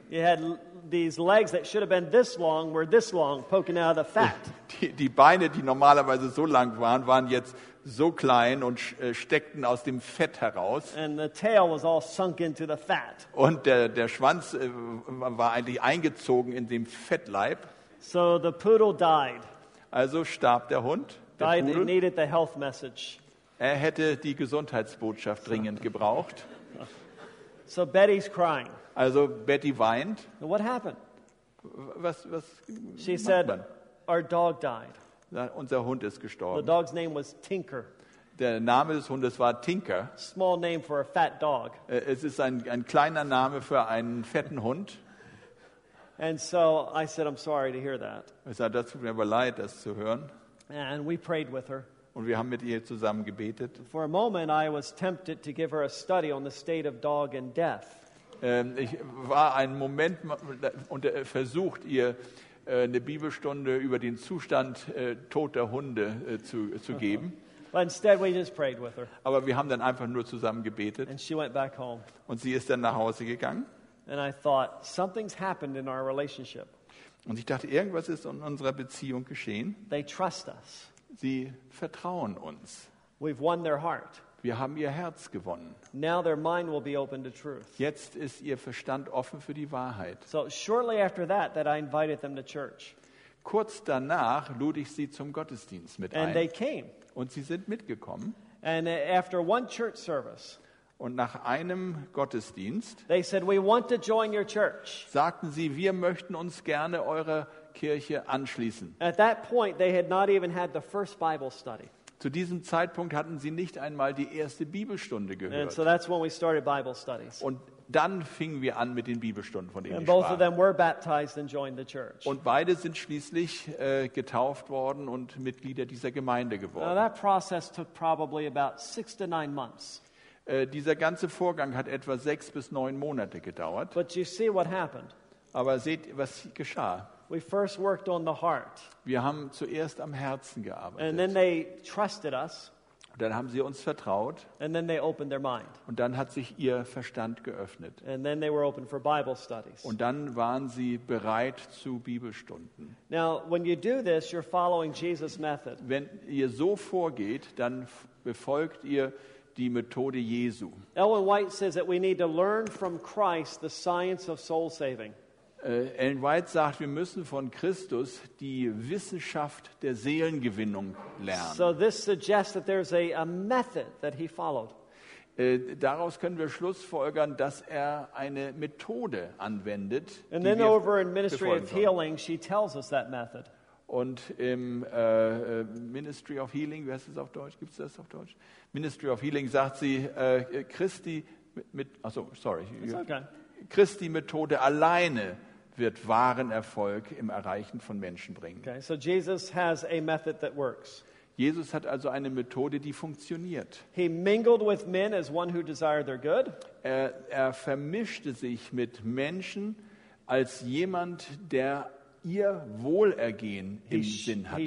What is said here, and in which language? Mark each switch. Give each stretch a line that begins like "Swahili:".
English: He had these legs that should have been this long were this long poking out of the fat.
German: Die Beine, die normalerweise so lang waren, waren jetzt so klein und steckten aus dem Fett heraus.
English: And the tail was all sunk into the fat.
German: Und der Schwanz war eigentlich eingezogen in dem Fettleib.
English: So the poodle died.
German: Also starb der Hund.
English: Died, he needed the health message.
German: Er hätte die Gesundheitsbotschaft dringend gebraucht.
English: So Betty's crying.
German: Also Betty weint.
English: What happened?
German: Was
English: she
German: macht
English: said,
German: man?
English: Our dog died.
German: Unser Hund ist gestorben.
English: The dog's name was Tinker.
German: Der Name des Hundes war Tinker.
English: Small name for a fat dog.
German: Es ist ein kleiner Name für einen fetten Hund.
English: And so I said, I'm sorry to hear that.
German: Ich sagte, das tut mir aber leid, das zu hören.
English: And we prayed with her.
German: Und wir haben mit ihr zusammen gebetet.
English: For a moment I was tempted to give her a study on the state of dog and death.
German: Ich war einen Moment und versucht ihr eine Bibelstunde über den Zustand toter Hunde zu geben.
English: But instead we just prayed with her.
German: Aber wir haben dann einfach nur zusammen gebetet.
English: And she went back home.
German: Und sie ist dann nach Hause gegangen.
English: And I thought, something's happened in our relationship.
German: Und ich dachte, irgendwas ist in unserer Beziehung geschehen.
English: They trust us.
German: Sie vertrauen uns.
English: We've won their heart.
German: Wir haben ihr Herz gewonnen.
English: Now their mind will be open to truth.
German: Jetzt ist ihr Verstand offen für die Wahrheit.
English: So shortly after that I invited them to church.
German: Kurz danach lud ich sie zum Gottesdienst mit ein.
English: And they came.
German: Und sie sind mitgekommen.
English: And after one church service.
German: Und nach einem Gottesdienst.
English: They said, we want to join your church.
German: Sagten sie, wir möchten uns gerne eurer Kirche anschließen.
English: At that point they had not even had the first Bible study.
German: Zu diesem Zeitpunkt hatten sie nicht einmal die erste Bibelstunde gehört.
English: And so that's when we started Bible studies.
German: Und dann fingen wir an mit den Bibelstunden, von denen
English: and
German: ich
English: both
German: sprach.
English: Of them were baptized and joined the church.
German: Und beide sind schließlich getauft worden und Mitglieder dieser Gemeinde geworden.
English: Now that process took probably about 6 to 9 months.
German: Dieser ganze Vorgang hat etwa 6 bis 9 Monate gedauert.
English: But you see what happened.
German: Aber seht, was geschah.
English: We first worked on the heart.
German: Wir haben zuerst am Herzen gearbeitet.
English: And then they trusted us.
German: Und dann haben sie uns vertraut.
English: And then they opened their mind.
German: Und dann hat sich ihr Verstand geöffnet.
English: And then they were open for Bible studies.
German: Und dann waren sie bereit zu Bibelstunden.
English: Now, when you do this, you're following Jesus' method.
German: Wenn ihr so vorgeht, dann befolgt ihr die Methode Jesu.
English: Ellen White says that we need to learn from Christ the science of soul saving.
German: Ellen White sagt, wir müssen von Christus die Wissenschaft der Seelengewinnung lernen.
English: So this suggests that there's a method that he followed.
German: Daraus können wir schlussfolgern, dass er eine Methode anwendet.
English: And then over in Ministry of Healing, she tells us that method.
German: Und im Ministry of Healing, wie heißt es auf Deutsch? Gibt es das auf Deutsch? Ministry of Healing sagt sie, Christi mit also sorry.
English: It's okay.
German: Christi Methode alleine wird wahren Erfolg im Erreichen von Menschen bringen.
English: Okay, so Jesus has a method that works.
German: Jesus hat also eine Methode, die funktioniert.
English: He mingled with men as one who desired their good.
German: Er vermischte sich mit Menschen als jemand, der ihr Wohlergehen im Sinn hatte.